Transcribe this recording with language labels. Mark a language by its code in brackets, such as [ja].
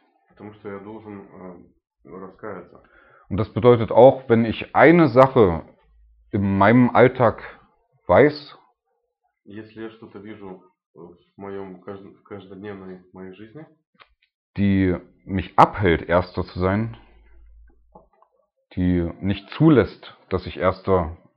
[ru] Потому что я должен раскаяться. [de] Und das bedeutet auch, wenn ich eine Sache in meinem Alltag weiß. [ru] Если я что-то вижу в каждодневной моей жизни, [de] die mich abhält, Erster zu sein. Die nicht zulässt, dass ich Erster.